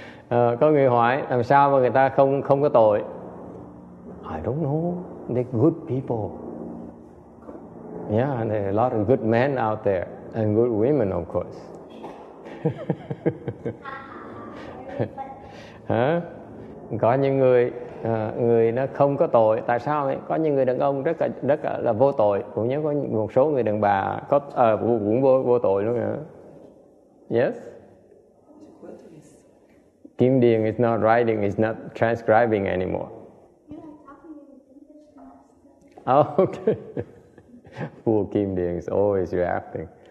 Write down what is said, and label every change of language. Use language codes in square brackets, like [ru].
[vi] Có người hỏi làm sao mà người ta không có tội. [en] I don't know. They're good people. Yeah, and there are a lot of good men out there and good women, of course. [vi] Có những người người nó không có tội, tại sao ấy? Có những người đàn ông rất là vô tội, cũng như có một số người đàn bà có cũng vô tội luôn hả? [en] Yes. Kim Điền is not writing, is not transcribing anymore. Okay. Poor Kim Điền is always reacting.